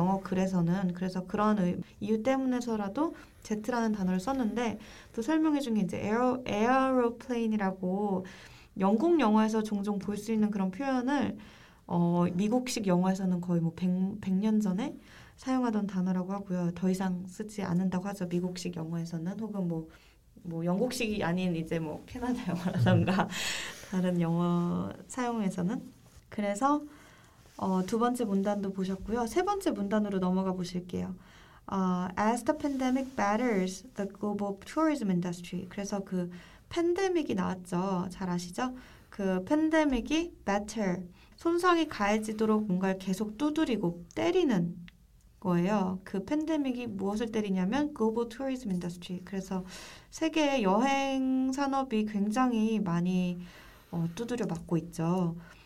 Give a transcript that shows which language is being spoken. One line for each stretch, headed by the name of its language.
Korean: 영어 글에서는 그래서 그런 이유 때문에서라도 jet라는 단어를 썼는데 또 설명해 준게 이제 aeroplane이라고 영국 영어에서 종종 볼 수 있는 그런 표현을 미국식 영어에서는 거의 뭐 100년 전에 사용하던 단어라고 하고요. 더 이상 쓰지 않는다고 하죠. 미국식 영어에서는 혹은 뭐 뭐 영국식이 아닌 이제 뭐 캐나다 영어라던가 다른 영어 사용에서는 그래서 두 번째 문단도 보셨고요. 세 번째 문단으로 넘어가 보실게요.
English: As the pandemic batters the global tourism industry.
Korean: 그래서 그 팬데믹이 나왔죠. 잘 아시죠? 그 팬데믹이 batter. 손상이 가해지도록 뭔가를 계속 두드리고 때리는 거예요. 그 팬데믹이 무엇을 때리냐면 글로벌 투어리즘 인더스트리. 그래서 세계 여행 산업이 굉장히 많이 두드려 맞고 있죠.